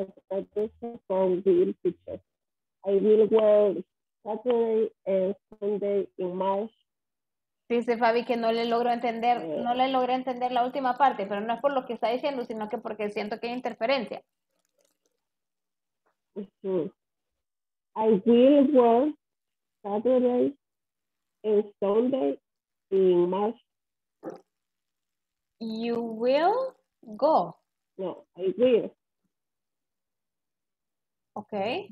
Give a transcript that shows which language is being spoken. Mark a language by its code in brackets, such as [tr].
[en] I will work Saturday and Sunday in March. [es] Dice Fabi que no le logro entender la última parte, pero no es por lo que está diciendo, sino que porque siento que hay interferencia. Uh-huh. [en] I will work Saturday and Sunday in March. You will go. No, I will. Okay.